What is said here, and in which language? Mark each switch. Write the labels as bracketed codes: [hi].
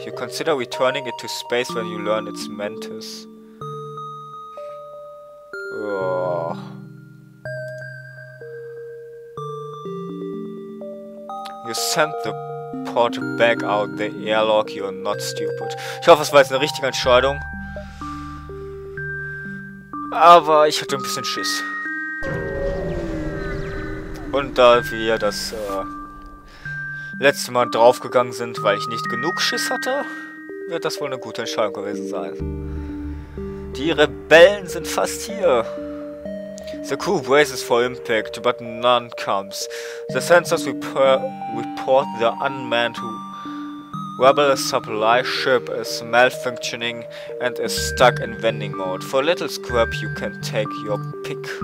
[en] You consider returning it to space when you learn its Mantis. You sent the pod back out the airlock, you're not stupid. [de] Ich hoffe, es war jetzt eine richtige Entscheidung. Aber ich hatte ein bisschen Schiss. Und da wir das letzte Mal draufgegangen sind, weil ich nicht genug Schiss hatte, wird das wohl eine gute Entscheidung gewesen sein. Die Rebellen sind fast hier. [en] The crew braces for impact, but none comes. The sensors report the unmanned rebel supply ship is malfunctioning and is stuck in vending mode. For little scrap you can take your pick.